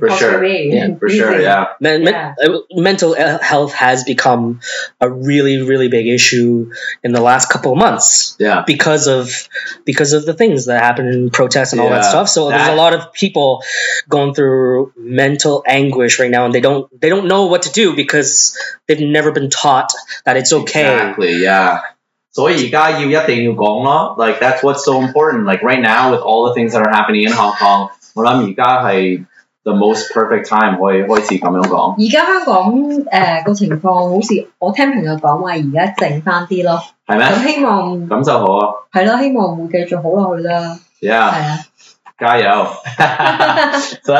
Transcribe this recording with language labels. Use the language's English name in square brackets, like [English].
[English] Mental health has become a really, really big issue in the last couple of months. Yeah. Because of the things that happened in protests and all that stuff. So there's a lot of people going through mental anguish right now, and they don't know what to do because they've never been taught that it's okay. Exactly. Yeah. [Cantonese] 所以現在要一定要講咯. [English] Like that's what's so important. Like right now, with all the things that are happening in Hong Kong. [Cantonese] 我諗而家係 [English] the most perfect time [Cantonese] 可以開始咁樣講。而家香港個情況好似我聽朋友講話而家靜翻啲咯。係咩？咁希望咁就好啊。係咯，希望會繼續好落去啦。Yeah，加油。So